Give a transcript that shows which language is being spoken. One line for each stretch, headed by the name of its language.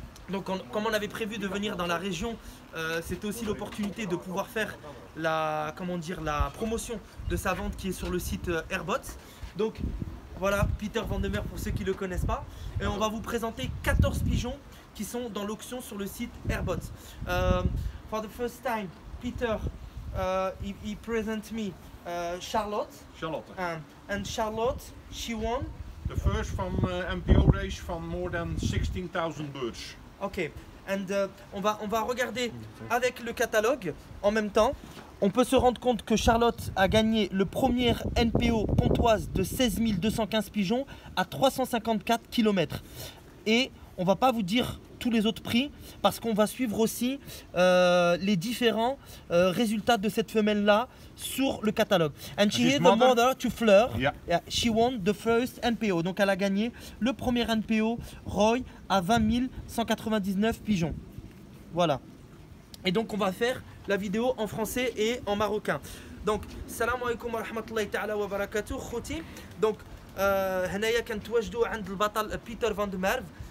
French: Donc, comme on avait prévu de venir dans la région, c'était aussi l'opportunité de pouvoir faire la promotion de sa vente qui est sur le site Airbots. Donc, voilà, Peter Van de Merve pour ceux qui ne le connaissent pas. Et on va vous présenter 14 pigeons qui sont dans l'auction sur le site Airbots.
English: For the first time, Peter, he present me Charlotte. Charlotte. And Charlotte, she won? The first from MPO race from more than 16,000 birds. Ok, and
French: on va regarder avec le catalogue en même temps. On peut se rendre compte que Charlotte a gagné le premier NPO pontoise de 16 215 pigeons à 354 km. Et on va pas vous dire tous les autres prix parce qu'on va suivre aussi les différents résultats de cette femelle là sur le catalogue.
English: And she is the mother to Fleur. Yeah. Yeah, she won the first NPO.
French: Donc elle a gagné le premier NPO Roy à 20 199 pigeons. Voilà. Et donc on va faire la vidéo en français et en marocain.
Arabic: Donc salam alaykoum wa rahmatullahi ta'ala wa barakatuh khouti. Donc هنايا كنتواجدوا عند البطل بيتر فان دو ميرف.